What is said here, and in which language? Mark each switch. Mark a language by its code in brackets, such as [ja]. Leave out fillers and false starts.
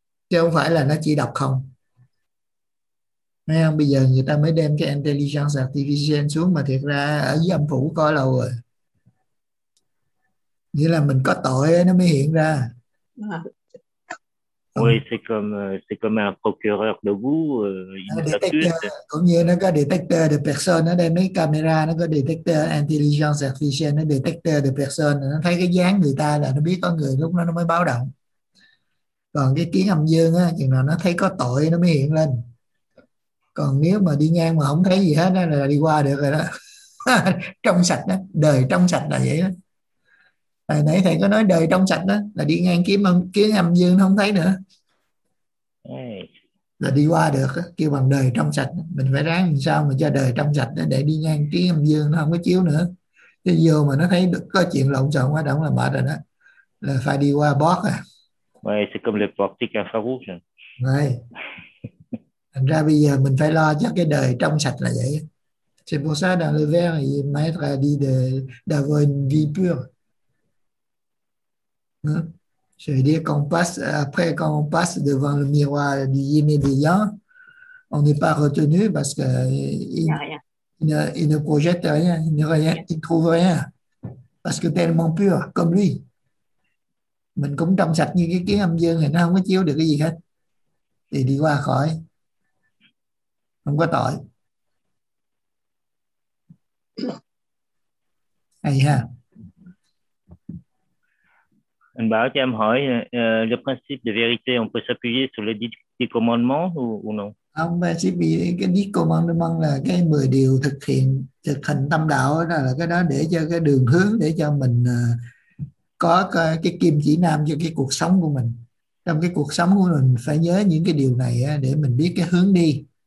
[vi] Chứ không phải là nó chỉ đọc không. Thấy không? Bây giờ người ta mới đem cái [fr] intelligence artificielle [vi] xuống mà thiệt ra ở dưới âm phủ có lâu rồi. Nghĩa là mình có tội nó mới hiện ra. [fr] Oui, c'est comme un procureur de goût. [vi] Cũng như nó có [fr] détecteur de personne, [vi] nó đem mấy camera, nó có [fr] détecteur intelligence artificielle, [vi] nó [fr] détecteur de personne, [vi] nó thấy cái dáng người ta là nó biết có người, lúc đó nó mới báo động. Còn cái kiến âm dương á, chừng nào nó thấy có tội nó mới hiện lên. Còn nếu mà đi ngang mà không thấy gì hết đó, là đi qua được rồi đó. Trong sạch đó, đời trong sạch là vậy đó. Hồi nãy thầy có nói đời trong sạch đó, là đi ngang kiến âm dương nó không thấy nữa. Là đi qua được đó, kêu bằng đời trong sạch. Mình phải ráng làm sao mà cho đời trong sạch đó, để đi ngang kiến âm dương nó không có chiếu nữa. Chứ vô mà nó thấy được có chuyện lộn xộn quá động là mệt rồi đó. Là phải đi qua bót à. [fr] Ouais, c'est comme les portiques infrarouges. Ouais. [vi] Thành ra bây giờ mình phải lo cho cái đời trong sạch là vậy. [fr] C'est pour ça dans le verre il maître a dit de d'avoir une vie pure. Je veux dire qu'on passe après quand on passe devant le miroir du yin et du yang, on n'est pas retenu parce que il ne projette rien, il trouve rien parce que tellement pur comme lui. [vi] Mình cũng trong sạch như cái kiến âm dương thì nó không có chiếu được cái gì hết. Thì đi qua khỏi. Không có tội. Hay ha. Anh bảo cho em hỏi [fr] le principe de vérité on peut s'appuyer sur les 10 commandements ou non? [vi] Không, cái [fr] 10 commandements [vi] là cái 10 điều thực hành tâm đạo đó, là cái đó để cho cái đường hướng để cho mình có cái kim chỉ nam cho cái cuộc sống của mình. Trong cái cuộc sống của mình phải nhớ những cái điều này để mình biết cái hướng đi.